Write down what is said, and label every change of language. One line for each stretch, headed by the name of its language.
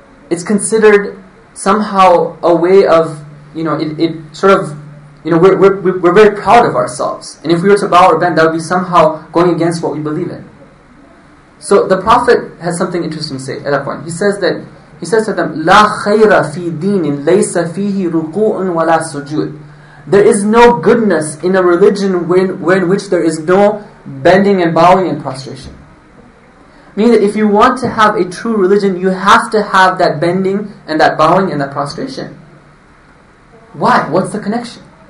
English: It's considered somehow a way of, you know, it sort of, you know, we're very proud of ourselves. And if we were to bow or bend, that would be somehow going against what we believe in. So the Prophet has something interesting to say at that point. He says to them,
Arabic: لَا خَيْرَ فِي دِينٍ لَيْسَ فِيهِ رُقُوءٌ وَلَا سُجُودٌ.
English: There is no goodness in a religion in which there is no bending and bowing and prostration. Meaning that if you want to have a true religion, you have to have that bending and that bowing and that prostration. Why? What's the connection?